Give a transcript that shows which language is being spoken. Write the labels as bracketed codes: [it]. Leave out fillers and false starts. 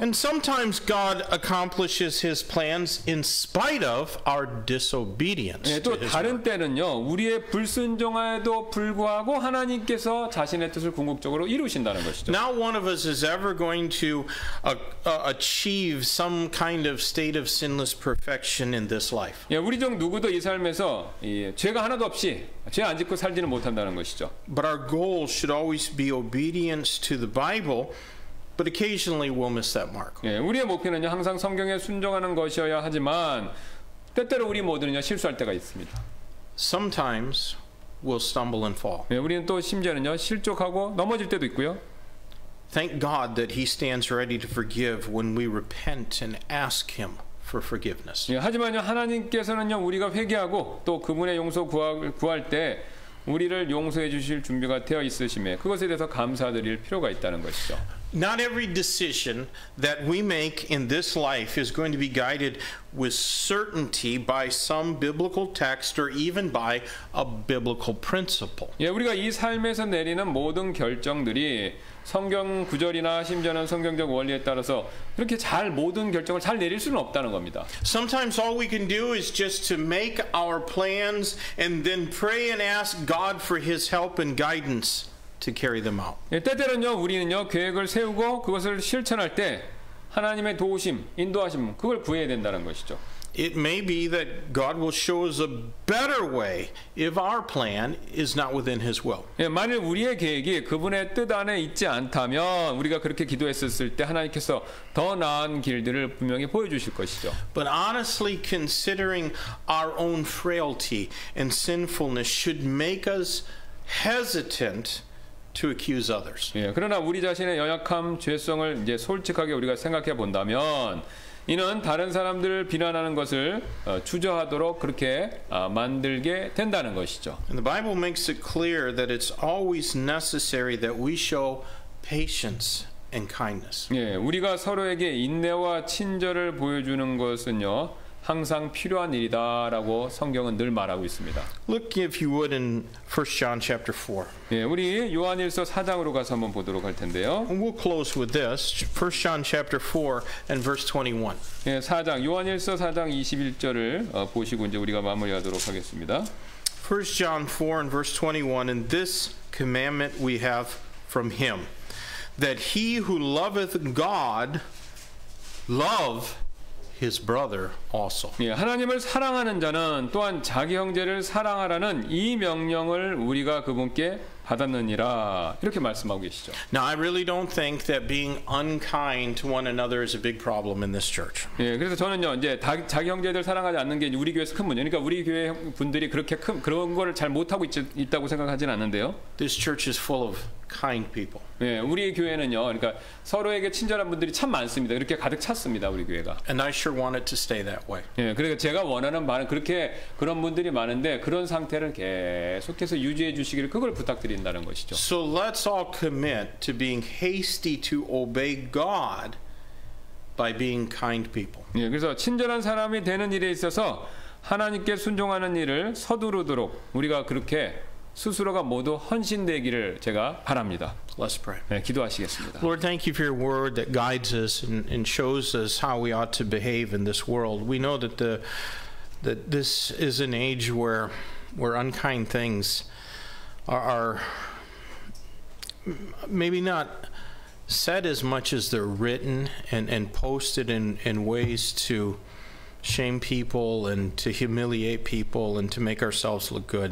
[en] And sometimes God accomplishes His plans in spite of our disobedience. [ko] 예, 또 다른 때는요 우리의 불순종에도 불구하고 하나님께서 자신의 뜻을 궁극적으로 이루신다는 것이죠. [en] Not one of us is ever going to achieve some kind of state of sinless perfection in this life. [ko] 예, 우리 중 누구도 이 삶에서 죄가 하나도 없이 죄 안 짓고 살지는 못한다는 것이죠. [en] But our goal should always be obedience to the Bible, but occasionally we'll miss that mark. [ko] 예, 우리의 목표는요 항상 성경에 순종하는 것이어야 하지만 때때로 우리 모두는요 실수할 때가 있습니다. [en] Sometimes we'll stumble and fall. [ko] 예, 우리는 또 심지어는요 실족하고 넘어질 때도 있고요. [en] Thank God that He stands ready to forgive when we repent and ask Him. For forgiveness. [ko] 예, 하지만요 하나님께서는요 우리가 회개하고 또 그분의 용서 구할 때 우리를 용서해 주실 준비가 되어 있으심에 그것에 대해서 감사드릴 필요가 있다는 것이죠. [en] Not every decision that we make in this life is going to be guided with certainty by some biblical text or even by a biblical principle. [ko] 예, 우리가 이 삶에서 내리는 모든 결정들이 성경 구절이나 심지어는 성경적 원리에 따라서 그렇게 잘 모든 결정을 잘 내릴 수는 없다는 겁니다. [en] Sometimes all we can do is just to make our plans and then pray and ask God for His help and guidance to carry them out. [ko] 예, 때때로는요 우리는요 계획을 세우고 그것을 실천할 때 하나님의 도우심, 인도하심 그걸 구해야 된다는 것이죠. [en] It may be that God will show us a better way if our plan is not within His will. [ko] 예, 만일 우리의 계획이 그분의 뜻 안에 있지 않다면 우리가 그렇게 기도했었을 때 하나님께서 더 나은 길들을 분명히 보여주실 것이죠. [en] But honestly, considering our own frailty and sinfulness should make us hesitant to accuse others. [ko] 예, 그러나 우리 자신의 연약함, 죄성을 이제 솔직하게 우리가 생각해 본다면. 이는 다른 사람들을 비난하는 것을 주저하도록 그렇게 만들게 된다는 것이죠. [en] And the Bible makes it clear that it's always necessary that we show patience and kindness. [ko] 예, 우리가 서로에게 인내와 친절을 보여주는 것은요 항상 필요한 일이다라고 성경은 늘 말하고 있습니다. [en] Look if you would in 1 John chapter 4. [ko] 예, 우리 요한일서 4장으로 가서 한번 보도록 할 텐데요. [en] We'll close with this. 1 John chapter 4 and verse 21. [ko] 예, 4장 요한일서 4장 21절을 보시고 이제 우리가 마무리하도록 하겠습니다. [en] 1 John 4 and verse 21. And this commandment we have from him that he who loveth God love His brother also. [ko] 예, 하나님을 사랑하는 자는 또한 자기 형제를 사랑하라는 이 명령을 우리가 그분께 받았느니라 이렇게 말씀하고 계시죠. [en] Now I really don't think that being unkind to one another is a big problem in this church. [ko] 예, 그래서 저는요 이제 자기 형제들 사랑하지 않는 게 우리 교회에서 큰 문제. 그러니까 우리 교회 분들이 그렇게 큰 그런 거를 잘 못 하고 있다고 생각하진 않는데요. [en] This church is full of kind people. [ko] 예, 우리 교회는요. 그러니까 서로에게 친절한 분들이 참 많습니다. 이렇게 가득 찼습니다, 우리 교회가. [en] And I sure want it to stay that way. [ko] 예, 그러니까 제가 원하는 바는 그렇게 그런 분들이 많은데 그런 상태를 계속해서 유지해 주시기를 그걸 부탁드린다는 것이죠. [en] So let's all commit to being hasty to obey God by being kind people. [ko] 예, 그래서 친절한 사람이 되는 일에 있어서 하나님께 순종하는 일을 서두르도록 우리가 그렇게 스스로가 모두 헌신되기를 제가 바랍니다. [en] Let's pray. [ko] 네, 기도하시겠습니다. [en] Lord, thank you for your word that guides us and shows us how we ought to behave in this world. We know that that this is an age where unkind things are maybe not said as much as they're written and posted in ways to shame people and to humiliate people and to make ourselves look good.